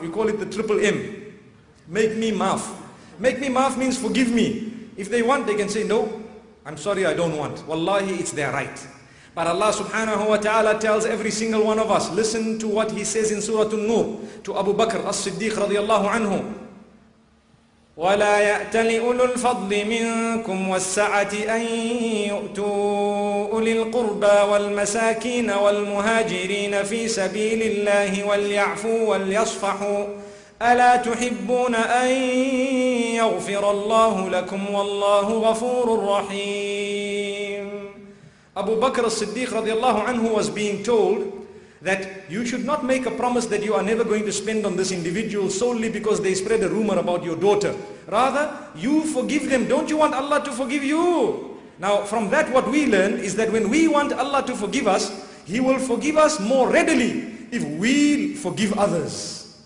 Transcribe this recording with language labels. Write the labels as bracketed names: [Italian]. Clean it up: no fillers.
[English] We call it the triple M. Make me maaf. Make me maaf means forgive me. If they want, they can say, no, I'm sorry, I don't want. Wallahi, it's their right. But Allah subhanahu wa ta'ala tells every single one of us, listen to what he says in Surah An-Nur to Abu Bakr as-Siddiq radiallahu anhu. [Arabic] ولا يأت لأولو الفضل منكم والسعة أن يؤتوا أولي القربى والمساكين والمهاجرين في سبيل الله وليعفوا وليصفحوا ألا تحبون أن يغفر الله لكم والله غفور رحيم. [English] أبو بكر الصديق رضي الله عنه was being told that you should not make a promise that you are never going to spend on this individual solely because they spread a rumor about your daughter. Rather, you forgive them. Don't you want Allah to forgive you? Now, from that what we learn is that when we want Allah to forgive us, He will forgive us more readily if we forgive others.